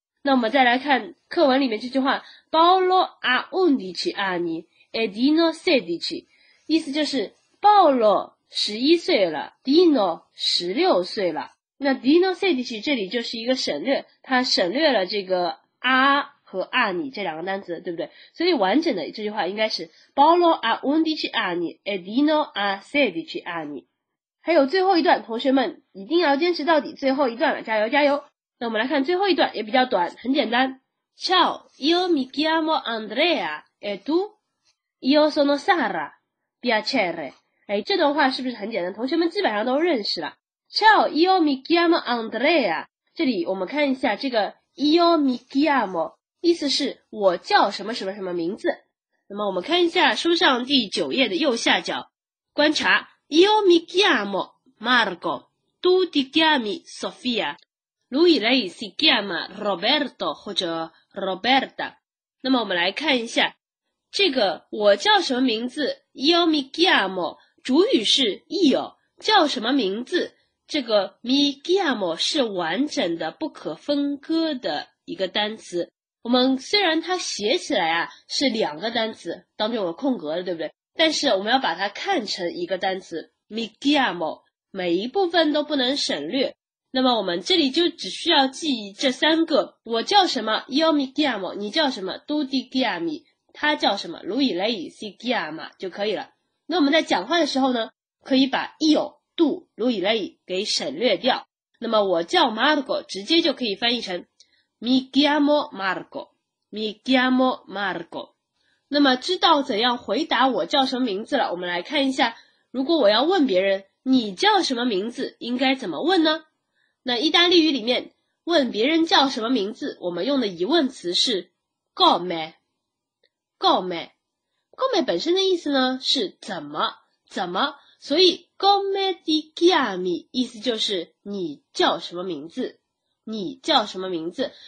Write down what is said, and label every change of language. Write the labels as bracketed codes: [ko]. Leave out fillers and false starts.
[zh] 那我们再来看课文里面这句话， [it] Paolo ha undici anni e Dino sedici， [zh] 意思就是鲍罗11岁了， Dino 16岁了。那 Dino sedici 这里就是一个省略，它省略了这个 a 和 anni 这两个单词，对不对？所以完整的这句话应该是 [it] Paolo ha undici anni e Dino ha sedici anni。 [zh] 还有最后一段，同学们一定要坚持到底，最后一段了，加油加油。那我们来看最后一段，也比较短，很简单。 [it] Ciao, io mi chiamo Andrea, e tu? Io sono Sara. Piacere。 [zh] 哎，这段话是不是很简单，同学们基本上都认识了。 [it] Ciao, io mi chiamo Andrea， [zh] 这里我们看一下这个 [it] io mi chiamo， [zh] 意思是我叫什么什么什么名字。那么我们看一下书上第九页的右下角，观察 [it] io mi chiamo Marco， tu ti chiami Sofia， lui lei si chiama Roberto [zh] 或者 Roberta。那么我们来看一下这个我叫什么名字， [it] Io mi chiamo， [zh] 主语是 io， 叫什么名字，这个 [it] mi chiamo [zh] 是完整的不可分割的一个单词。我们虽然它写起来啊是两个单词，当中有空格的，对不对？但是我们要把它看成一个单词 [it] mi chiamo， [zh] 每一部分都不能省略。那么我们这里就只需要记这三个，我叫什么 [it] Io mi chiamo， [zh] 你叫什么 [it] tu ti chiami， [zh] 他叫什么 ？ [it] lui lei si chiama [zh] 就可以了。那我们在讲话的时候呢，可以把 [it] io tu lui lei [zh] 给省略掉。那么我叫 Marco， 直接就可以翻译成 [it] mi chiamo Marco， mi chiamo Marco。 [zh] 那么知道怎样回答我叫什么名字了？我们来看一下，如果我要问别人你叫什么名字，应该怎么问呢？那意大利语里面问别人叫什么名字，我们用的疑问词是 come。 come， come 本身的意思呢是怎么怎么，所以 [it] come ti chiami [zh] 意思就是你叫什么名字，你叫什么名字。